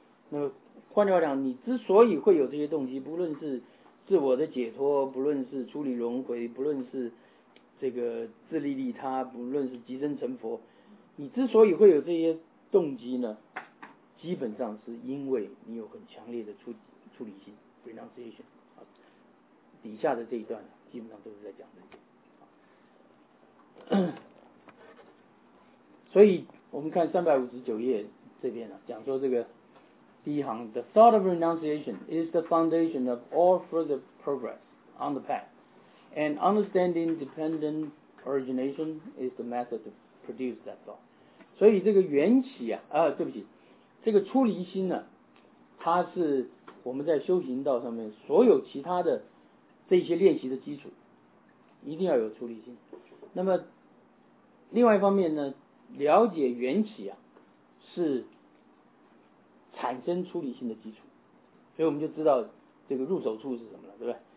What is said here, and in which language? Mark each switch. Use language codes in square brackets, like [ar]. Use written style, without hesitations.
[zh] 那么换句话讲，你之所以会有这些动机，不论是自我的解脱，不论是出离轮回，不论是这个自利利他，不论是即生成佛，你之所以会有这些动机呢，基本上是因为你有很强烈的出离心 renunciation。底下的这一段基本上都是在讲这些。所以我们看359页这边、啊、讲说这个第一行， [en] The thought of renunciation is the foundation of all further progress on the path, and understanding dependent origination is the method to produce that thought. [zh] 所以这个缘起啊，对不起，这个出离心呢、啊，它是我们在修行道上面所有其他的这些练习的基础，一定要有出离心。那么另外一方面呢，了解缘起啊，是产生出离心的基础，所以我们就知道这个入手处是什么了，对不对？